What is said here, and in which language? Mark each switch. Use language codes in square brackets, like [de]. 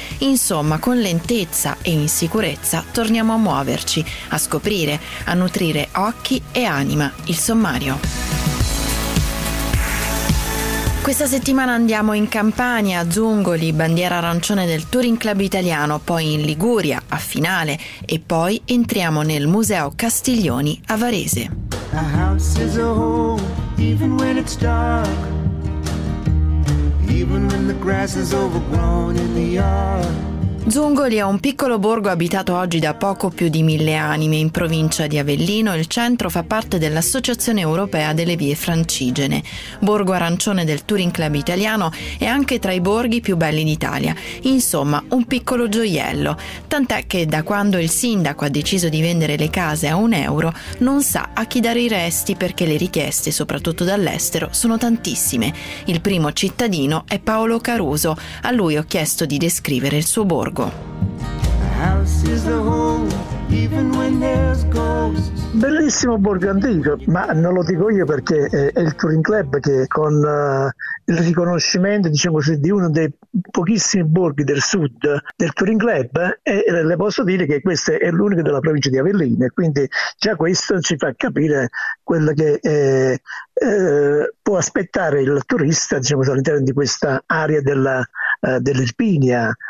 [it] Insomma, con lentezza e in sicurezza torniamo a muoverci, a scoprire, a nutrire occhi e anima. Il sommario. Questa settimana andiamo in Campania, a Zungoli, bandiera arancione del Touring Club Italiano, poi in Liguria, a Finale, e poi entriamo nel Museo Castiglioni a Varese. [en] A house is a home, even when it's dark. Even when the grass is overgrown in the yard. [it] Zungoli è un piccolo borgo abitato oggi da poco più di 1000 anime in provincia di Avellino. Il centro fa parte dell'Associazione Europea delle Vie Francigene. Borgo arancione del Touring Club Italiano e anche tra i borghi più belli d'Italia. Insomma, un piccolo gioiello. Tant'è che da quando il sindaco ha deciso di vendere le case a un euro, non sa a chi dare i resti perché le richieste, soprattutto dall'estero, sono tantissime. Il primo cittadino è Paolo Caruso. A lui ho chiesto di descrivere il suo borgo. [en] The house is the home, even when there's ghosts. [it] Bellissimo borgo antico, ma non lo dico io perché è il Touring Club che con il riconoscimento, diciamo così, di uno dei pochissimi borghi del sud del Touring Club, le posso dire che questo è l'unico della provincia di Avellino, e quindi già questo ci fa capire quello che può aspettare il turista, diciamo, all'interno di questa area dell'Irpinia.